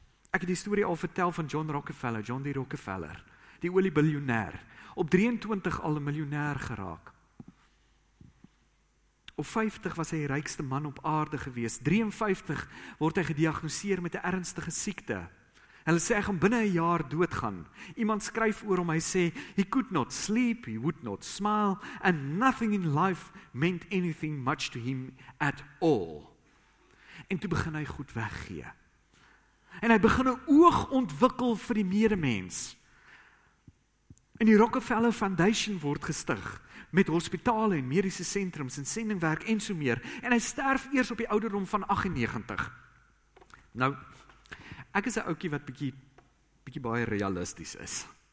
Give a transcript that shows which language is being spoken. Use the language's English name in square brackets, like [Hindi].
[Afrikaans] Ek het die storie al vertel van John Rockefeller, John D. Rockefeller, die oliebiljonair, op 23 al 'n miljonair geraak. Op 50 was hy die rykste man op aarde gewees. 53 word hy gediagnoseer met 'n ernstige siekte. Hulle sê hy gaan binne 'n jaar doodgaan. Iemand skryf oor hom, hy sê, [English] "He could not sleep, he would not smile, and nothing in life meant anything much to him at all." [Afrikaans] En toe begin hy goed weggee. En hy begin 'n oog ontwikkel vir die medemens. En die Rockefeller Foundation word gestig, met hospitale en mediese sentrums en sendingwerk en so meer. En hy sterf eers op die ouderdom van 98. Nou, ek is 'n oukie wat bietjie baie realisties is.